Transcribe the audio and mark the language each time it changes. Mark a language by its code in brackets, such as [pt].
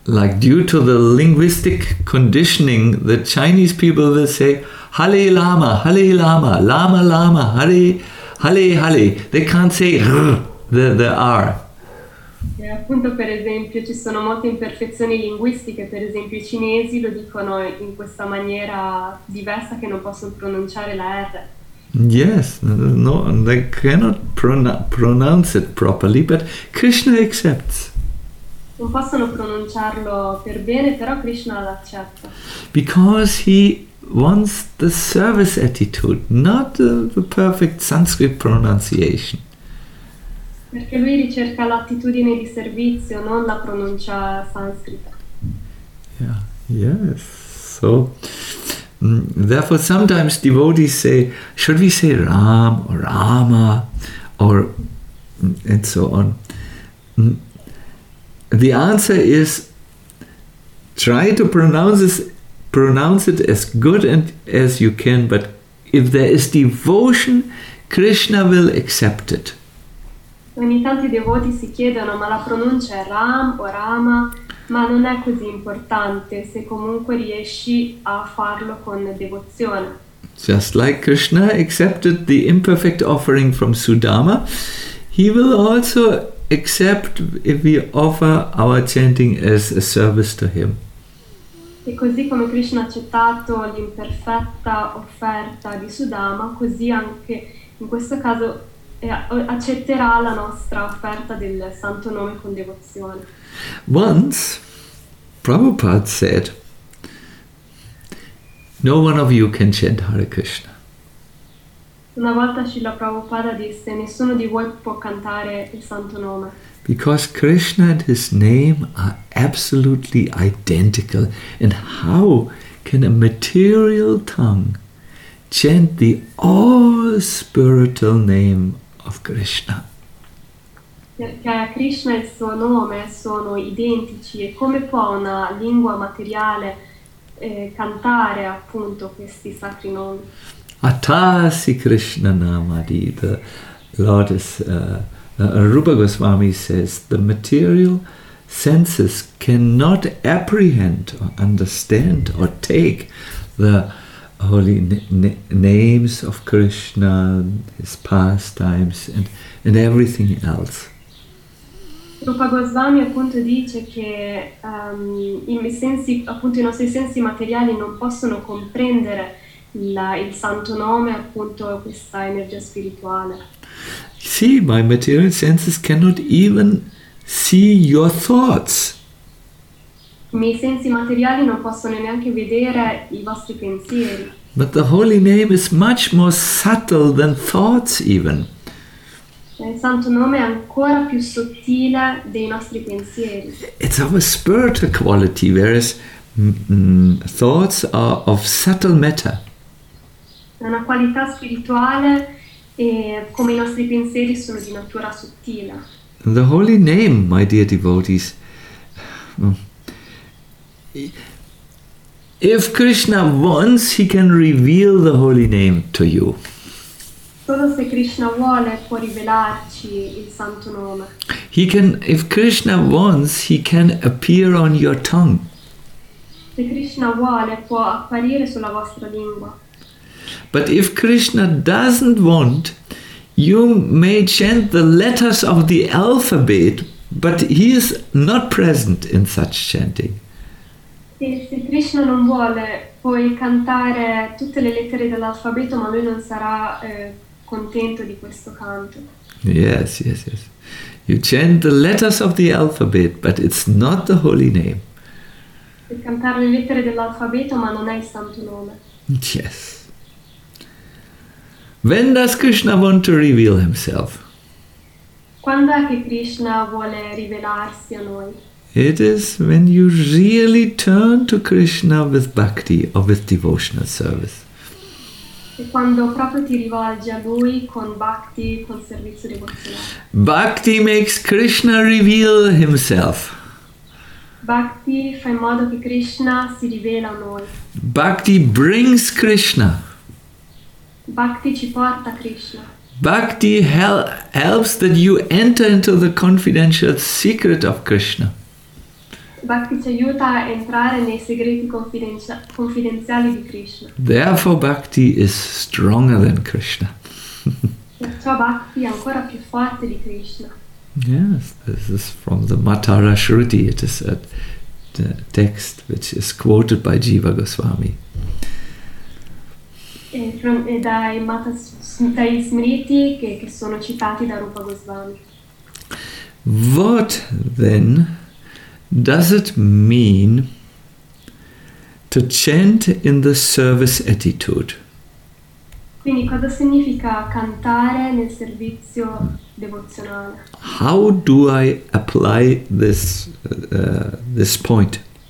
[en] Like due to the linguistic conditioning, the Chinese people will say, Hale Lama, Hale Lama, Lama Lama, Hale, Hale Hale. They can't say the R. [it] E appunto, per esempio, ci sono molte imperfezioni linguistiche. Per esempio, i cinesi lo dicono in questa maniera diversa che non possono pronunciare la R. [en] Yes, no, they cannot pronounce it properly, but Krishna accepts. [it] Non possono pronunciarlo per bene, però Krishna l'accetta. [en] Because he wants the service attitude, not the perfect Sanskrit pronunciation. [it] Perché lui ricerca l'attitudine di servizio, non la pronuncia sanscrita. [en] Yeah, yes. So, therefore sometimes devotees say, should we say Ram or Rama or and so on? The answer is try to pronounce it as good and as you can, but if there is devotion, Krishna will accept it. [it] Ogni tanto i devoti si chiedono, ma la pronuncia è Ram o Rama, ma non è così importante se comunque riesci a farlo con devozione. [en] Just like Krishna accepted the imperfect offering from Sudama, he will also except if we offer our chanting as a service to him. [it] E così come Krishna ha accettato l'imperfetta offerta di Sudama, così anche in questo caso accetterà la nostra offerta del santo nome con devozione. [en] Once Prabhupada said, no one of you can chant Hare Krishna. [it] Una volta Srila Prabhupada disse, nessuno di voi può cantare il santo nome. [en] Because Krishna and his name are absolutely identical. And how can a material tongue chant the all-spiritual name of Krishna? [it] Perché Krishna e il suo nome sono identici. E come può una lingua materiale cantare appunto questi sacri nomi? [en] Atasi Krishna Namadi, the Lord is, Rupa Goswami says, the material senses cannot apprehend or understand or take the holy names of Krishna, his pastimes and everything else. [it] Rupa Goswami appunto dice che i nostri sensi materiali non possono comprendere il santo nome, appunto questa energia spirituale. [en] See, my material senses cannot even see your thoughts. [it] I miei sensi materiali non possono neanche vedere i vostri pensieri. [en] But the holy name is much more subtle than thoughts even. [it] Il santo nome è ancora più sottile dei nostri pensieri. [en] It's of a spiritual quality, whereas thoughts are of subtle matter. [it] È una qualità spirituale e come i nostri pensieri sono di natura sottile. [en] The holy name, my dear devotees, if Krishna wants, he can reveal the holy name to you. [it] Solo se Krishna vuole può rivelarci il santo nome. [en] He can, if Krishna wants, he can appear on your tongue. [it] Se Krishna vuole può apparire sulla vostra lingua. [en] But if Krishna doesn't want, you may chant the letters of the alphabet, but he is not present in such chanting. [it] Se Krishna non vuole, puoi cantare tutte le lettere dell'alfabeto, ma lui non sarà contento di questo canto. [en] Yes, yes, yes. You chant the letters of the alphabet, but it's not the holy name. [it] Puoi cantare le lettere dell'alfabeto, ma non è il santo nome. [en] Yes. When does Krishna want to reveal himself? [it] Quando è che Krishna vuole rivelarsi a noi? [en] It is when you really turn to Krishna with bhakti or with devotional service. [it] E quando proprio ti rivolgi a lui con bhakti, con servizio devozionale. [en] Bhakti makes Krishna reveal himself. [it] Bhakti fa in modo che Krishna si rivela a noi. [en] Bhakti brings Krishna. [it] Bhakti ci porta Krishna. [en] Bhakti helps that you enter into the confidential secret of Krishna. [it] Bhakti ci aiuta a entrare nei segreti confidenziali di Krishna. [en] Therefore bhakti is stronger than Krishna. [it] Perciò bhakti è ancora più forte di Krishna. [en] Yes, this is from the Matara Shruti. It is a text which is quoted by Jiva Goswami. [it] Dai Smriti che sono citati da Rupa Goswami. [en] What then does it mean to chant in the service attitude? [it] Quindi cosa significa cantare nel servizio devozionale? [en] How do I apply this this point?